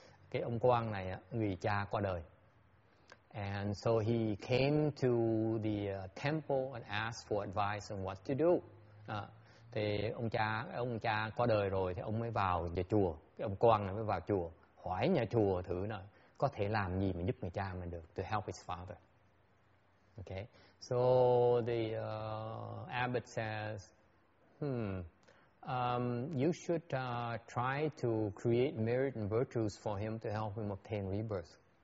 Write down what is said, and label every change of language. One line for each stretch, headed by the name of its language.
Vietnamese: Cái ông quan này người cha qua đời.
English: And so he came to the temple and asked for advice on what to do.
Vietnamese: Thì ông cha qua đời rồi thì ông mới vào nhà chùa. Cái ông quan này mới vào chùa hỏi nhà chùa thử nào. Có thể làm gì mà giúp người cha mình được,
English: to help his father. Okay, so the abbot says, you should try to create merit and virtues for him to help him obtain rebirth.